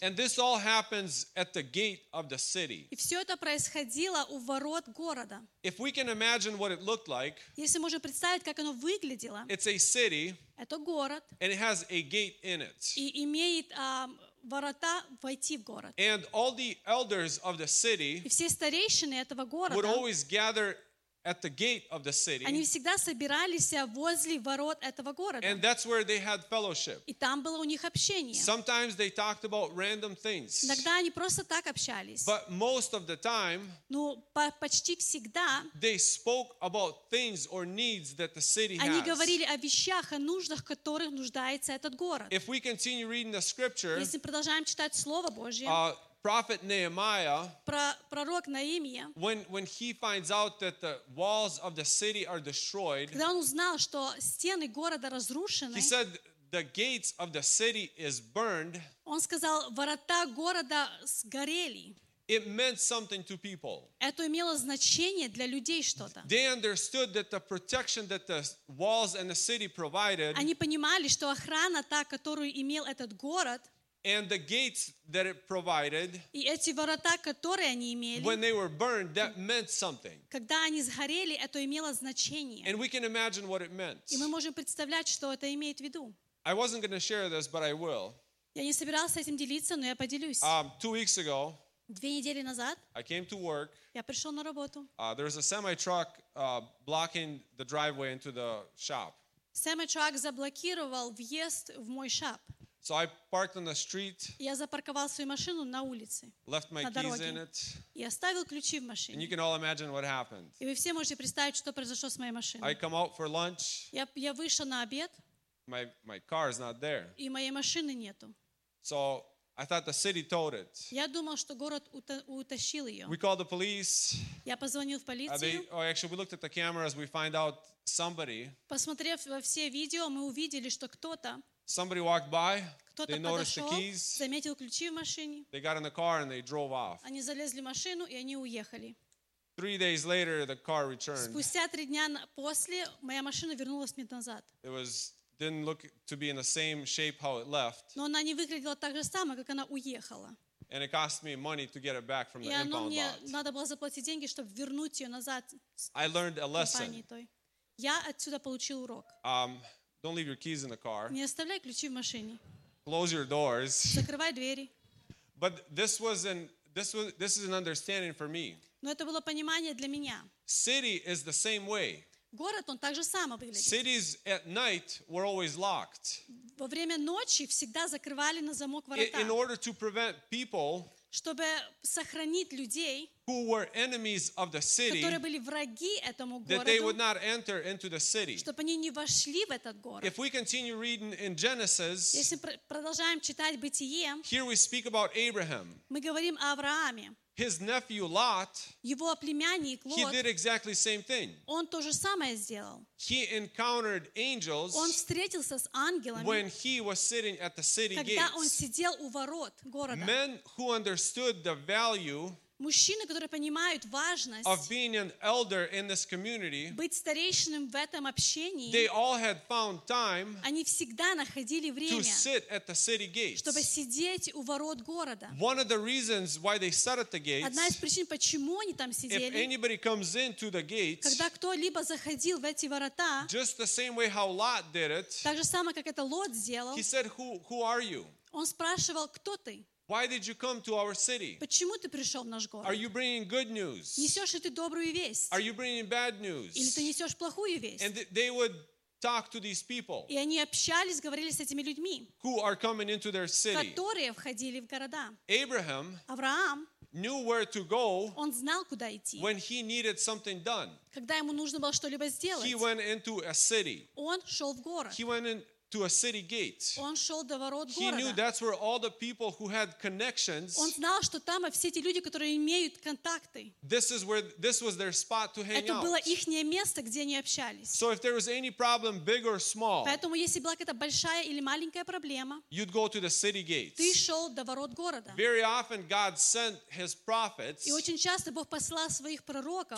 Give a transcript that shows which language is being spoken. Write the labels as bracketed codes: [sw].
[en] And this all happens at the gate of the city. [ru] И все это происходило у ворот города. [en] If we can imagine what it looked like, [ru] если можем представить, как оно выглядело, [en] it's a city, [ru] это город, [en] and it has a gate in it. [ru] И имеет ворота войти в город. [en] And all the elders of the city would always gather at the gate of the city. [ru] Они всегда собирались возле ворот этого города. [en] And that's where they had fellowship. [ru] И там было у них общение. [en] Sometimes they talked about random things. [ru] Иногда они просто так общались. [en] But most of the time, [ru] ну, почти всегда, [en] they spoke about things or needs that the city has. [ru] Они говорили о вещах, о нуждах, которых нуждается этот город. [en] If we continue reading the scripture, [ru] если продолжаем читать Слово Божие, [en] Prophet Nehemiah, [ru] пророк Наимия, [en] when he finds out that the walls of the city are destroyed, [ru] когда он узнал, что стены города разрушены, [en] he said the gates of the city is burned. [ru] Он сказал, ворота города сгорели. [en] It meant something to people. [ru] Это имело значение для людей что-то. [en] They understood that the protection that the walls and the city provided. [ru] Они понимали, что охрана та, которую имел этот город. [en] And the gates that it provided, [ru] и эти ворота, которые они имели, [en] when they were burned, that meant something. [ru] Когда они сгорели, это имело значение. [en] And we can imagine what it meant. [ru] И мы можем представлять, что это имеет в виду. [en] I wasn't going to share this, but I will. [ru] Я не собирался этим делиться, но я поделюсь. [en] 2 weeks ago, [ru] 2 недели назад, [en] I came to work. [ru] Я пришел на работу. [en] There was a semi-truck blocking the driveway into the shop. [ru] Semi-truck заблокировал въезд в мой shop. [en] So I parked on the street. [ru] Я запарковал свою машину на улице. [en] Left my keys in it. [ru] И оставил ключи в машине. [en] And you can all imagine what happened. [ru] И вы все можете представить, что произошло с моей машиной. [en] I come out for lunch. [ru] Я вышел на обед. [en] My car is not there. [ru] И моей машины нету. [en] So I thought the city towed it. [ru] Я думал, что город утащил ее. [en] We called the police. [ru] Я позвонил в полицию. [en] Actually, we looked at the cameras. We find out somebody. [ru] Посмотрев во все видео, мы увидели, что кто-то. [en] Somebody walked by, [ru] кто-то [en] they noticed [ru] подошел, [en] the keys, [ru] заметил ключи в машине, [en] they got in the car and they drove off. [ru] Они залезли в машину, и они уехали. [en] 3 days later, the car returned. [ru] Спустя 3 дня после, моя машина вернулась мне назад. [en] It was, didn't look to be in the same shape how it left. [ru] Но она не выглядела так же само, как она уехала. [en] And it cost me money to get it back from the impound lot. [ru] И мне надо было заплатить деньги, чтобы вернуть ее назад. [en] I learned a lesson. [ru] Я отсюда получил урок. [en] Don't leave your keys in the car. [ru] Не оставляй ключи в машине. [en] Close your doors. [ru] Закрывай двери. [en] But this is an understanding for me. [ru] Но это было понимание для меня. [en] City is the same way. [ru] Город он так же само выглядит. [en] Cities at night were always locked. [ru] Во время ночи всегда закрывали на замок ворота. [en] In order to prevent people, [ru] чтобы сохранить людей, [en] who were enemies of the city, [ru] которые были враги этому городу, [en] that they would not enter into the city. [ru] Чтобы они не вошли в этот город. [en] If we continue reading in Genesis, [ru] если продолжаем читать Бытие, [en] here we speak about Abraham. [ru] Мы говорим о Аврааме. [en] His nephew Lot, [ru] его племянник Лот, [en] he did exactly the same thing. [ru] Он то же самое сделал. [en] He encountered angels, [ru] он встретился с ангелами, [en] when he was sitting at the city [ru] когда [en] gates. [ru] Он сидел у ворот города. [en] Men who understood the value, [ru] мужчины, которые понимают важность [en] of being an elder in this community, [ru] быть старейшинным в этом общении, [en] they all had found time, [ru] они всегда находили время [en] to sit at the city gates. [ru] Чтобы сидеть у ворот города. [en] One of the reasons why they sat at the gates, [ru] одна из причин, почему они там сидели, [en] if anybody comes into the gates, [ru] когда кто-либо заходил в эти ворота, [en] just the same way how Lot did it, [ru] так же самое, как это Лот сделал, [en] he said, who are you? [ru] Он спрашивал, кто ты? [en] Why did you come to our city? [ru] Почему ты пришел в наш город? [en] Are you bringing good news? [ru] Несешь ли ты добрую весть? [en] Are you bringing bad news? [ru] Или ты несешь плохую весть? [en] And they would talk to these people. [ru] И они общались, говорили с этими людьми. [en] Who are coming into their city? [ru] Которые входили в города. [en] Abraham. [ru] Авраам. [en] Knew where to go. [ru] Он знал куда идти. [en] When he needed something done. [ru] Когда ему нужно было что-либо сделать. [en] He went into a city. [ru] Он шел в город. [en] He went in. To a city gate. [ru] Он шел до ворот города. [en] He knew that's where all the people who had connections. [ru] Он знал, что там все эти люди, которые имеют контакты. [en] This is where this was their spot to hang out. [ru] Это было ихнее место, где они общались. [en] So if there was any problem, big or small. [ru] Поэтому если была какая-то большая или маленькая проблема. [en] You'd go to the city gates. [ru] Ты шел до ворот города. [en] Very often God sent His prophets. [ru] И очень часто Бог послал своих пророков.